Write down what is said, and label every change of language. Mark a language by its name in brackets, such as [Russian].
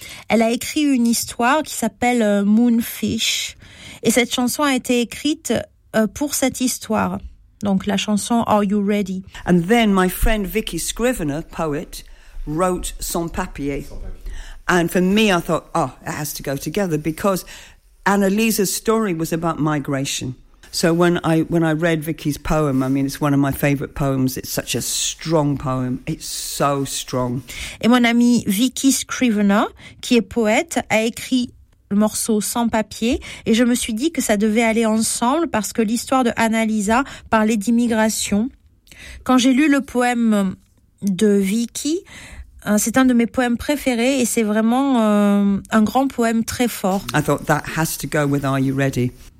[French] Elle a écrit une histoire qui s'appelle Moonfish. Et cette chanson a été écrite pour cette histoire. Donc la chanson Are You Ready? [English] And then my friend Vicky Scrivener, poet, wrote Sans Papier. And for me, I thought, oh, it has to go together because Annalisa's story was about migration. So when I read Vicky's poem, I mean, it's one of my favorite poems. It's such a strong poem. It's so strong. [French] Et mon amie Vicky Scrivener, qui est poète, a écrit le morceau Sans Papier. Et je me suis dit que ça devait aller ensemble parce que l'histoire de Annalisa parlait d'immigration. Quand j'ai lu le poème de Vicky, c'est un de mes poèmes préférés et c'est vraiment un grand poème très fort. [English] I thought that has to go with Are You Ready?